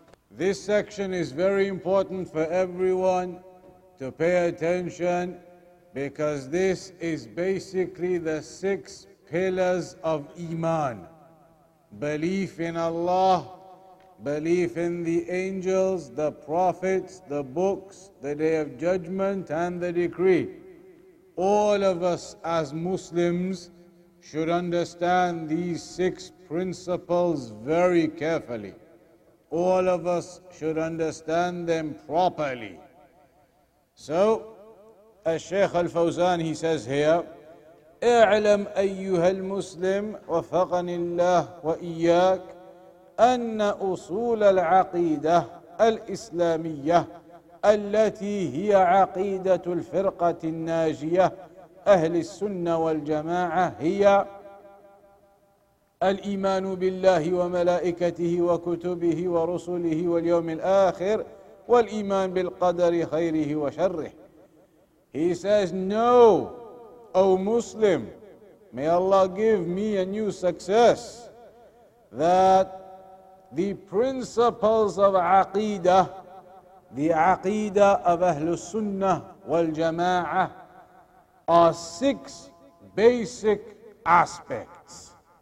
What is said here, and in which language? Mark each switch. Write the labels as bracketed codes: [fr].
[en] This section is very important for everyone to pay attention, because this is basically the six pillars of Iman: belief in Allah, belief in the angels, the prophets, the books, the day of judgment, and the decree. All of us as Muslims should understand these six principles very carefully. All of us should understand them properly. So, as Shaykh Al-Fawzan, he says here, [ar] اعلم أيها المسلم وفقني الله وإياك أن أصول العقيدة الإسلامية التي هي عقيدة الفرقة الناجية أهل السنة والجماعة هي الإيمان بالله وملائكته وكتبه ورسله واليوم الآخر والإيمان بالقدر خيره وشره. [en] He says, no, O Muslim, may Allah give me a new success, that the principles of aqeedah, the aqeedah of Ahlus Sunnah wal Jama'ah, are six basic aspects.